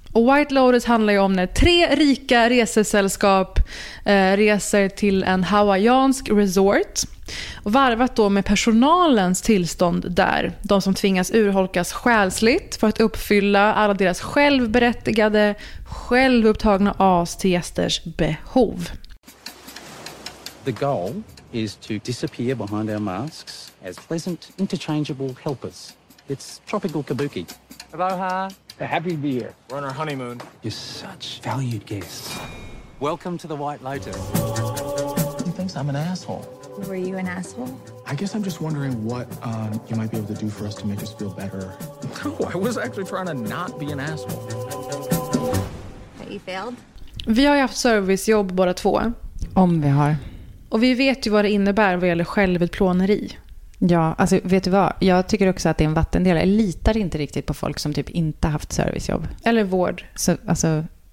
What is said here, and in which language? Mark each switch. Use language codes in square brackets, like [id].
[sv] Och White Lotus handlar ju om när tre rika resesällskap reser till en hawaiiansk resort, och varvat då med personalens tillstånd där, de som tvingas urholkas själsligt för att uppfylla alla deras självberättigade, självupptagna as till gästers behov. [en] The goal is to disappear behind our masks as pleasant interchangeable helpers. It's tropical kabuki. Aloha. The happy beer. We're on our honeymoon. You're such valued guests. Welcome to the White Lotus. He thinks I'm an asshole. Were you an asshole? I guess I'm just wondering what you might be able to do for us to make us feel better. No, I was actually trying to not be an asshole. Have you failed? [sv] Vi har ju haft servicejobb båda två. Om vi har. Och vi vet ju vad det innebär vad gäller självutplåneri. Ja, alltså vet du vad? Jag tycker också att det är en vattendel. Jag litar inte riktigt på folk som typ inte haft servicejobb. Eller vård. Så, alltså,